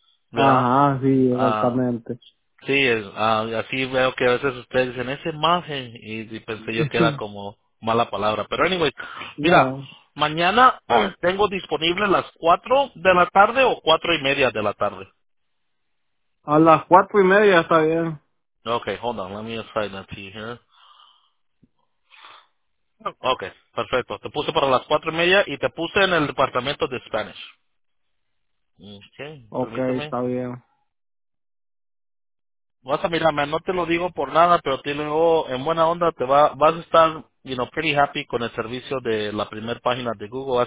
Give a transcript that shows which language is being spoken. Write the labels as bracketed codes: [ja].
[es] ¿no? Ajá, sí, exactamente. Así veo que a veces ustedes dicen ese maje, y pensé yo que era como mala palabra, pero anyway, mira, no. Mañana tengo disponible las 4 de la tarde o 4 y media de la tarde. A las 4 y media está bien. [en] Okay, hold on, let me assign that to you here. [es] Okay, perfecto. Te puse para las 4 y media y te puse en el departamento de Spanish. [en] Okay, [es] está bien. Vas a mirar, man, no te lo digo por nada, pero tengo en buena onda, te va, vas a estar, [en] you know, pretty happy [es] con el servicio de la primera página de Google.